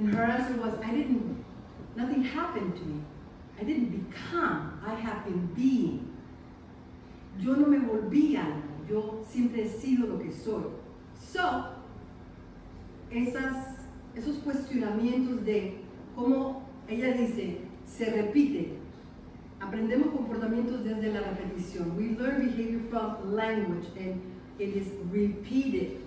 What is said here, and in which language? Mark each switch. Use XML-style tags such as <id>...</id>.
<en>And her answer was, I didn't, nothing happened to me. I didn't become, I have been being.</en> <es>Yo no me volví algo, yo siempre he sido lo que soy. So, esos cuestionamientos de cómo ella dice, se repite. Aprendemos comportamientos desde la repetición.</es> <en>We learn behavior from language and it is repeated.</en>